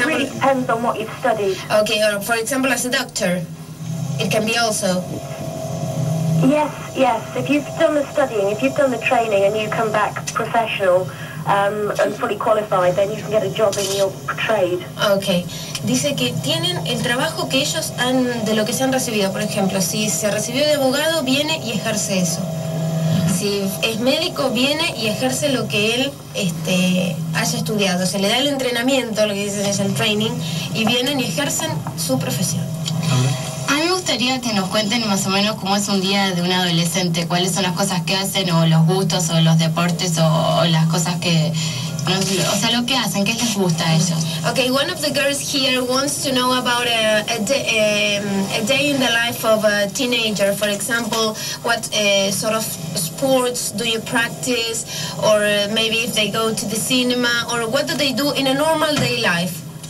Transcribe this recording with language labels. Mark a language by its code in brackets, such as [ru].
[en] it really depends on what you've studied. Okay, or for example, as a doctor, it can be also. Yes, yes. If you've done the studying, if you've done the training and you come back professional, and fully qualified, then you can get a job in your trade. Okay. [es] Dice que tienen el trabajo que ellos han, de lo que se han recibido. Por ejemplo, si se recibió de abogado, viene y ejerce eso. Si es médico, viene y ejerce lo que él haya estudiado. Se le da el entrenamiento, lo que dicen es el training, y vienen y ejercen su profesión. A mí me gustaría que nos cuenten más o menos cómo es un día de un adolescente, cuáles son las cosas que hacen, o los gustos, o los deportes, o las cosas que... O sea, lo que hacen, qué les gusta a ellos. [en] Okay, one of the girls here wants to know about a day in the life of a teenager. For example, what sort of sports do you practice, or maybe if they go to the cinema, or what do they do in a normal day life?